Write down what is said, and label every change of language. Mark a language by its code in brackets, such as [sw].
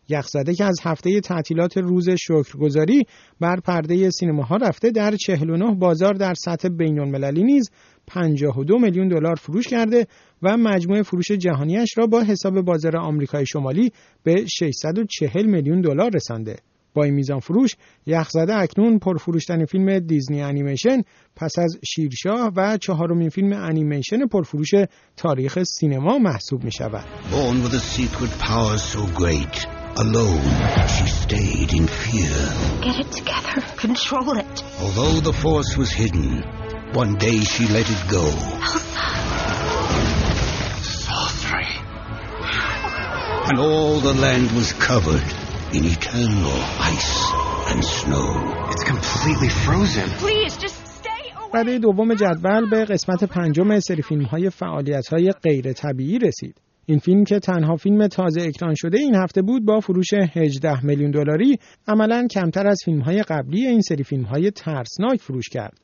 [fa] یخ‌زده که از هفته تعطیلات روز شکرگزاری بر پرده سینماها رفته، در 49 بازار در سطح بین‌المللی نیز 52 میلیون دلار فروش کرده و مجموع فروش جهانیش را با حساب بازار آمریکای شمالی به 640 میلیون دلار رسانده. با این میزان فروش، یخ‌زده اکنون پرفروشترین فیلم دیزنی انیمیشن پس از شیرشاه و چهارمین فیلم انیمیشن پرفروش تاریخ سینما محسوب می شود. [en] Born with a secret power so great, alone she stayed in fear. Get it together, control it. Although the force was hidden, one day she let it go. Sorcery. And all the land was covered in eternal ice and snow. It's completely frozen. Please just stay away. [fa] برای دوم جدول به قسمت پنجم سری فیلم‌های فعالیت‌های غیر طبیعی رسید. این فیلم که تنها فیلم تازه اکران شده این هفته بود، با فروش 18 میلیون دلاری عملاً کمتر از فیلم‌های قبلی این سری فیلم‌های ترسناک فروش کرد.